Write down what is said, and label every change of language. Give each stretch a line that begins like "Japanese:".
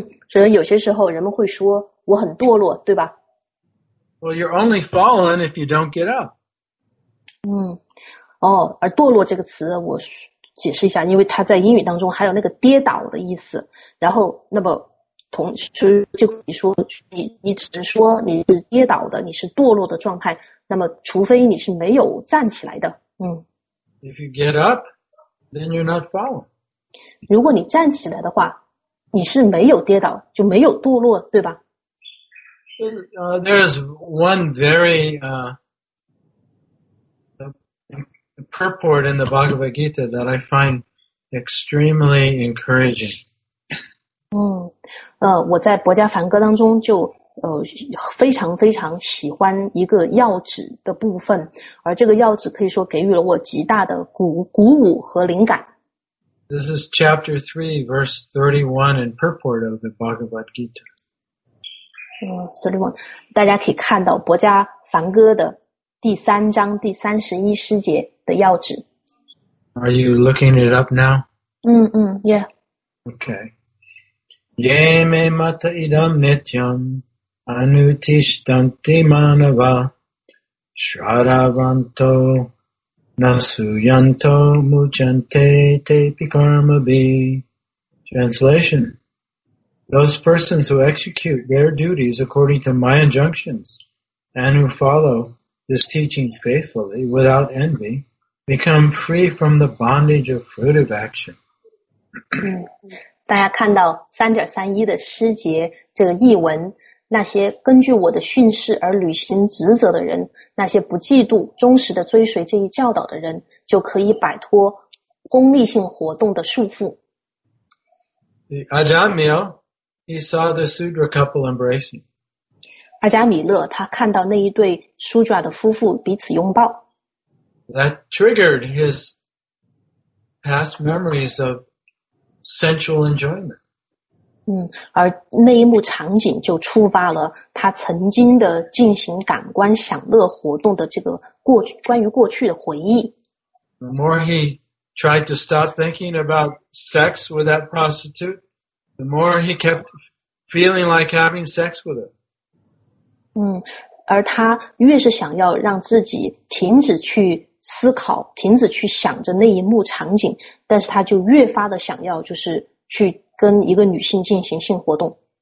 Chinese: 所以有些时候人们会说我很堕落，对吧？
English: Well, you're only fallen if you don't get up.
Chinese: 而堕落这个词我解释一下，因为它在英语当中还有那个跌倒的意思。然后，那么同时就你说你只能说你是跌倒的，你是堕落的状态。那么，除非你是没有站起来的。
English: If you get up. Then you're not fallen.
Chinese: 如果你站起来的话，你是没有跌倒，就没有堕落，对吧？
English: There is one very purport in the Bhagavad Gita that I find extremely encouraging.
Chinese: 我在《薄伽梵歌》当中就非常非常喜欢一个要旨的部分，而这个要旨可以说给予了我极大的鼓舞和灵感。
English: This is chapter 3, verse 31 in purport of the Bhagavad Gita.
Chinese: 31, 大家可以看到《薄伽梵歌》的第三章第三十一诗节的要旨。
English: Are you looking it up now? Yeah. Okay.
Sanskrit: Ye me mata idam nityam. Anutishtanti manava, Shravanto, Nasuyanto mujante te pikarmabhi.
English: Translation. Those persons who execute their duties according to my injunctions and who follow this teaching faithfully without envy become free from the bondage of fruitive action.
Chinese: 大家看到3.31的诗节这个译文，那些根据我的训示而履行职责的人，那些不嫉妒忠实的追随这一教导的人，就可以摆脱功利性活动的束缚。
English: Ajamil, he saw the Sudra couple embracing.
Chinese: 阿加米勒他看到那一对苏爪的夫妇彼此拥抱。
English: That triggered his past memories of sensual enjoyment.
Chinese: 而那一幕场景就触发了他曾经的进行感官享乐活动的这个过去关于过去的回忆。
English: The more he tried to stop thinking about sex with that prostitute, the more he kept feeling like having sex with her.
Chinese: 而他越是想要让自己停止去思考，停止去想着那一幕场景，但是他就越发的想要就是去跟一个女性进行性活动。